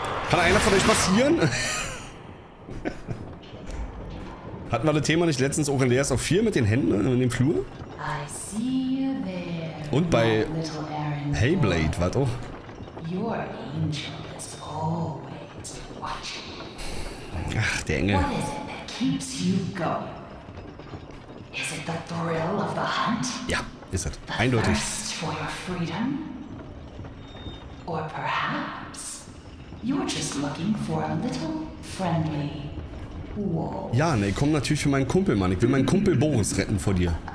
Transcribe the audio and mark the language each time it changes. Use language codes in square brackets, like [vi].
[de] Kann einer von euch passieren? Hatten wir das Thema nicht letztens auch in Layers of Fear mit den Händen in dem Flur? [en] I see you there. [de] Und bei Hayblade, warte auch. [en] Your angel is always watching. [de] Ach, der Engel. [en] What is it that keeps you going? Is it the thrill of the hunt? [de] Ja, ist es. Eindeutig. [en] For your freedom? Or perhaps you're just looking for a little friendly. [de] Ja, ne, ich komm natürlich für meinen Kumpel, Mann. Ich will meinen Kumpel Boris retten vor dir.